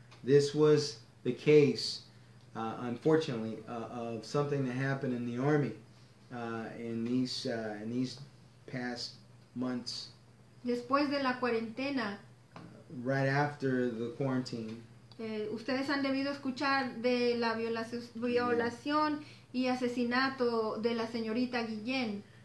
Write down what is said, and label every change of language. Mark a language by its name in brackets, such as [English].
[English] This was the case, unfortunately, of something that happened in the army in these past months. [Spanish] Después de la cuarentena. [English] Right after the quarantine. [Spanish] Ustedes han debido escuchar de la violación. Yeah. Y asesinato de la señorita Guillén.